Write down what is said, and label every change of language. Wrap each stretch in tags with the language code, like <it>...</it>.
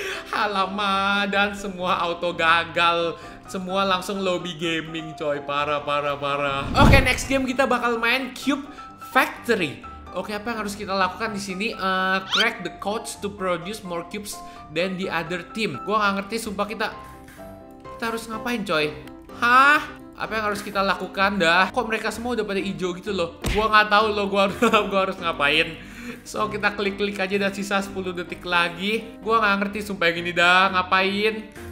<id>Halama, dan semua auto gagal. Semua langsung lobby gaming coy, parah. Oke, okay, next game kita bakal main Cube Factory. Oke, okay, apa yang harus kita lakukan di sini?</id> <en>Crack the codes to produce more cubes than the other team.</en> <id>Gua gak ngerti sumpah, kita harus ngapain coy? Hah? Apa yang harus kita lakukan dah? Kok mereka semua udah pada hijau gitu loh? Gua gak tahu loh, gua harus ngapain. So, kita klik-klik aja dan sisa 10 detik lagi. Gua gak ngerti sumpah yang ini dah, ngapain?</id>